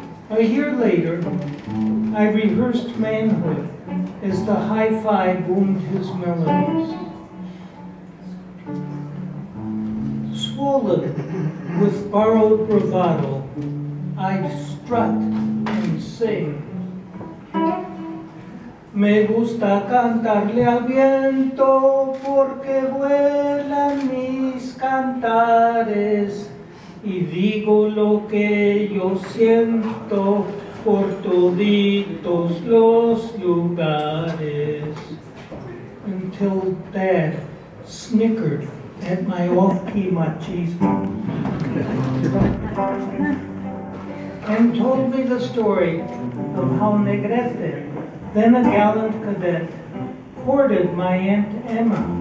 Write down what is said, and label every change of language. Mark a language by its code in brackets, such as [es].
[en] A year later, I rehearsed Manhood as the hi-fi boomed his melodies. Swollen with borrowed bravado, I'd strut and sing. [es] Me gusta cantarle al viento porque vuelan mis cantares y digo lo que yo siento por toditos los lugares. [en] Until Dad snickered at my off-key machismo and told me the story of how Negrete, then a gallant cadet, courted my Aunt Emma.